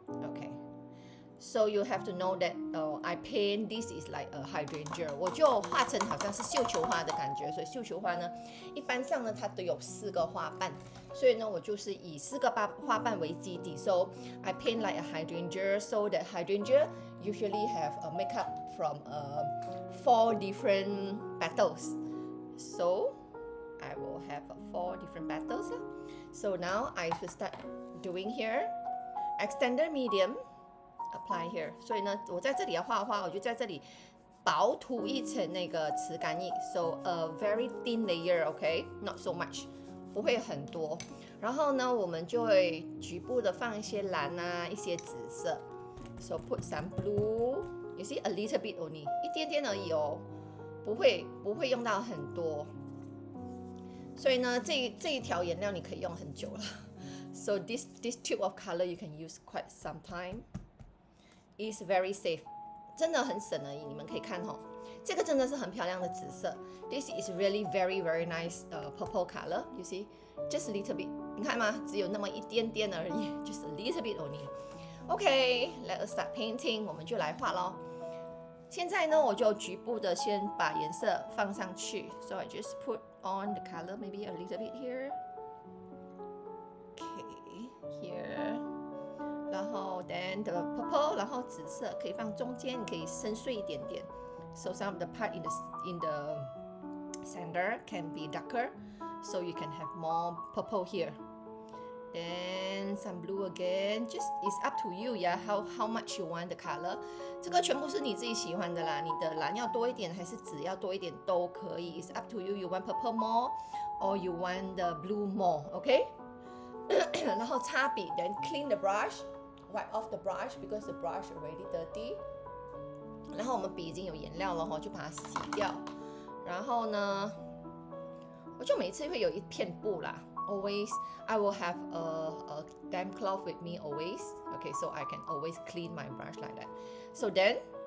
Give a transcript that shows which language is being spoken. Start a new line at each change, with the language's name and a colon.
English: Okay, so you have to know that I paint this is like a hydrangea.
Chinese: 我就画成好像是绣球花的感觉，所以绣球花呢，一般上呢它都有四个花瓣，所以呢我就是以四个花瓣为基底。
English: So I paint like a hydrangea, so that hydrangea usually have a makeup from four different petals. So I will have four different petals. So now I will start doing here. Extender medium, apply here.
Chinese: 所以呢，我在这里要画画，我就在这里薄涂一层那个磁干液。
English: So a very thin layer, okay? Not so much,
Chinese: 不会很多。然后呢，我们就会局部的放一些蓝啊，一些紫色。
English: So put some blue. You see a little bit only,
Chinese: 一点点而已哦，不会用到很多。所以呢，这一条颜料你可以用很久了。
English: So this tube of color you can use quite some time. It's very safe.
Chinese: 真的很省而已，你们可以看哦。这个真的是很漂亮的紫色。
English: This is really very very nice purple color. You see, just a little bit.
Chinese: 你看吗？只有那么一点点而已
English: ，just a little bit only. Okay, let us start painting.
Chinese: 我们就来画咯。现在呢，我就局部的先把颜色放上去。
English: So I just put on the color, maybe a little bit here. Okay, here.
Chinese: 然后
English: then the purple,
Chinese: 然后紫色可以放中间，可以深邃一点点。
English: So some of the part in the center can be darker, so you can have more purple here. Then some blue again. Just it's up to you, yeah. How much you want the color?
Chinese: 这个全部是你自己喜欢的啦。你的蓝要多一点，还是紫要多一点都可以。
English: It's up to you. You want purple more, or you want the blue more? Okay.
Chinese: 然后擦笔
English: ，then clean the brush, wipe off the brush because the brush already dirty.
Chinese: 然后我们笔已经有颜料了，就把它洗掉。然后呢，我就每次会有一片布啦。
English: Always, I will have a damp cloth with me always. Okay, so I can always clean my brush like that. So then,